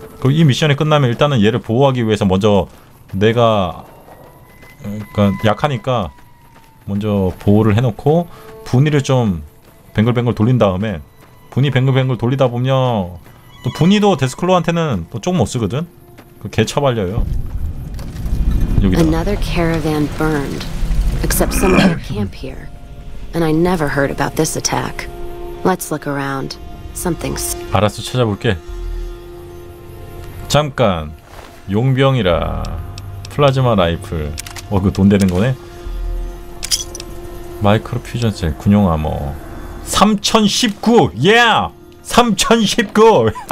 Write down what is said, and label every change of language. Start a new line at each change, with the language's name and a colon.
Korean: 그럼 이 미션이 끝나면 일단은 얘를 보호하기 위해서 먼저 내가 그러니까 약하니까 먼저 보호를 해놓고 분위를 좀 뱅글뱅글 돌린 다음에 분위 뱅글뱅글 돌리다 보면 또 분위도 데스클로한테는 또 조금 못 쓰거든. 그 개처발려요. 여기다.
English: Another caravan burned. Except someone camp here. And I never heard about this attack. Let's look around. Something's
Korean: 알았어, 찾아볼게. 잠깐. 용병이라. 플라즈마 라이플. 어, 그 돈 되는 거네. 마이크로 퓨전 셀 군용 암호. 3019. 예!
English: Yeah!
Korean: 3019.